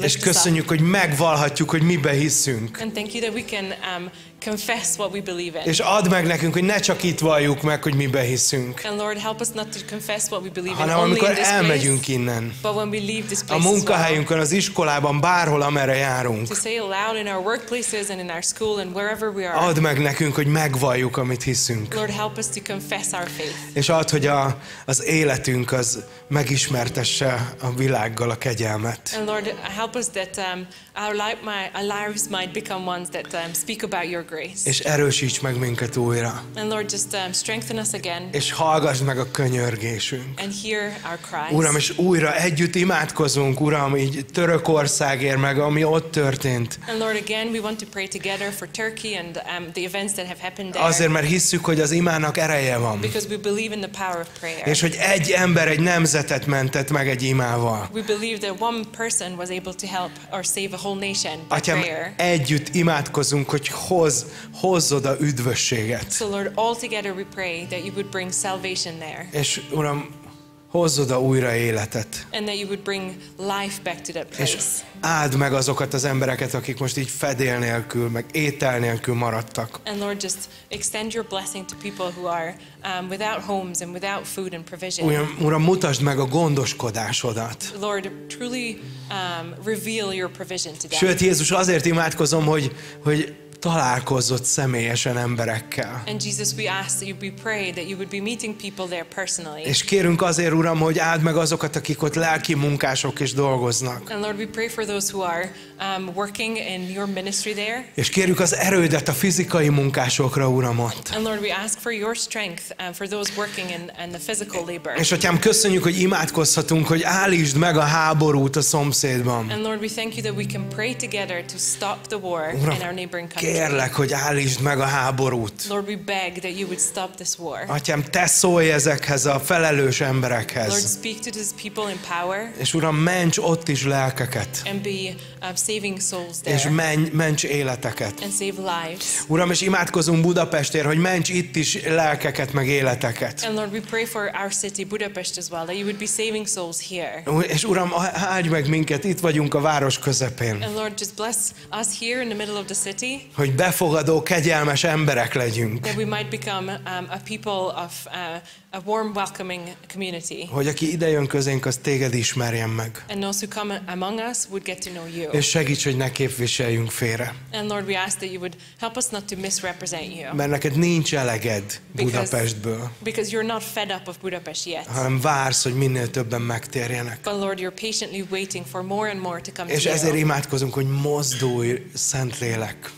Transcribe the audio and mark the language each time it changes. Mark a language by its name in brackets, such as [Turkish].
[English] lift us up. [Hungarian] És köszönjük, hogy megvallhatjuk, hogy miben hiszünk. [English] And thank you that we can confess what we believe in. [Hungarian] És add meg nekünk, hogy ne csak itt valljuk meg, hogy miben hiszünk. [English] And Lord, help us not to confess what we believe in. [Hungarian] Hanem amikor elmegyünk innen. [English] But when we leave this place. [Hungarian] A munkahelyünkön, az iskolában, bárhol, amerre járunk. [English] To say aloud in our workplaces and in our school and wherever we are. [Hungarian] Add meg nekünk, hogy megvalljuk, amit hiszünk. [English] Lord, help us to confess our faith. [Hungarian] És add, hogy az életünk az megismertesse a világgal a kegyelmet. [English] And Lord, help us that our lives might become ones that speak about your grace. grace. [Hungarian] És erősíts meg minket újra. [English] And Lord, just strengthen us again. [Hungarian] És hallgass meg a könyörgésünk. [English] And hear our cries. [Hungarian] Uram, és újra együtt imádkozunk, Uram, így Törökországért meg, ami ott történt. [English] And Lord, again, we want to pray together for Turkey and the events that have happened there. [Hungarian] Azért, mert hisszük, hogy az imának ereje van. [English] Because we believe in the power of prayer. [Hungarian] És hogy egy ember egy nemzetet mentett meg egy imával. [English] We believe that one person was able to help or save a whole nation by [Hungarian] Atyám, [English] prayer. [Hungarian] Együtt imádkozunk, hogy hozz oda üdvösséget. [English] So Lord, all together we pray that you would bring salvation there. [Hungarian] És Uram, hozz oda újra életet. [English] And that you would bring life back to that place. [Hungarian] És áld meg azokat az embereket, akik most így fedél nélkül, meg étel nélkül maradtak. [English] And Lord, just extend your blessing to people who are without homes and without food and provision. [Hungarian] Uram, mutasd meg a gondoskodásodat. [English] Lord, truly reveal your provision to them. [Hungarian] Sőt, Jézus, azért imádkozom, hogy találkozott személyesen emberekkel. [English] And Jesus, we ask that you be pray that you would be meeting people there personally. [Hungarian] És kérünk azért, Uram, hogy áld meg azokat, akik ott lelki munkások is dolgoznak. [English] And Lord, we pray for those who are working in your ministry there. [Hungarian] És kérjük az erődet a fizikai munkásokra, Uram, ott. [English] And Lord, we ask for your strength for those working in the physical labor. [Hungarian] És Atyám, köszönjük, hogy imádkozhatunk, hogy állítsd meg a háborút a szomszédban. [English] And Lord, we thank you that we can pray together to stop the war, [Hungarian] Uram, [English] in our neighboring country. [Hungarian] Kérlek, hogy állítsd meg a háborút. [English] Lord, we beg that you would stop this war. [Hungarian] Atyám, te szólj ezekhez a felelős emberekhez. [English] Lord, speak to these people in power. [Hungarian] És Uram, ments ott is lelkeket. [English] And be saving souls there. [Hungarian] És ments életeket. [English] And save lives. [Hungarian] Uram, és imádkozunk Budapestért, hogy ments itt is lelkeket meg életeket. [English] And Lord, we pray for our city Budapest as well, that you would be saving souls here. [Hungarian] És Uram, áldj meg minket, itt vagyunk a város közepén. [English] And Lord, just bless us here in the middle of the city. [Hungarian] Hogy befogadó, kegyelmes emberek legyünk. [English] That we might become a people of a warm, welcoming community. [Hungarian] Hogy aki ide jön közénk, az téged ismerjen meg. [English] And those who come among us would get to know you. [Hungarian] És segíts, hogy ne képviseljünk félre. [English] And Lord, we ask that you would help us not to misrepresent you. [Hungarian] Mert neked nincs eleged Budapestből. [English] Because you're not fed up of Budapest yet. [Hungarian] Hanem vársz, hogy minél többen megtérjenek. [English] But Lord, you're patiently waiting for more and more to come to you. [Hungarian] És ezért imádkozunk, hogy mozdulj, Szentlélek.